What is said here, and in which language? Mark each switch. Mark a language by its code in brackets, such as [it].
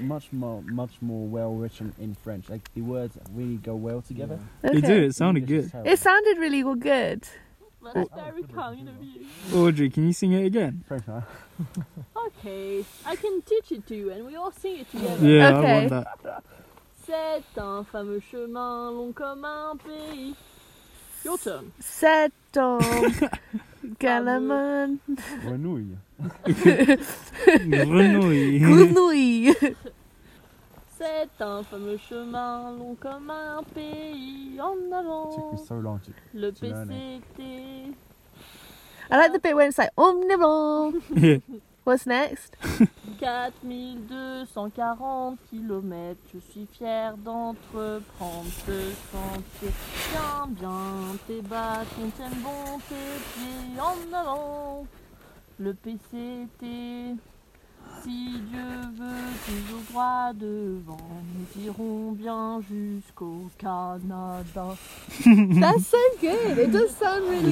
[en] much more well written in French. Like the words really go well together. Yeah. Okay. They do. It sounded good. It sounded really well. Good. That's very kind of you. Audrey, can you sing it again? French, huh? Okay, I can teach it to you, and we all sing it together. Yeah, okay. I want that. [fr] C'est un fameux chemin long comme un pays. [en] Your turn. [fr] C'est un galaman. Grenouille. Grenouille. Grenouille. C'est un fameux chemin long comme un pays. En avant. [en] So long to [fr] le PCT. [en] I like the bit where it's like, [fr] en avant. [en] What's next? [fr] 4240 kilomètres, je suis fier d'entreprendre ce sentier. Tiens bien tes bâtons, tiens bon tes pieds en avant. Le PCT, si Dieu veut, toujours droit devant. Nous irons bien jusqu'au Canada. [en] That's so good, it does sound really good.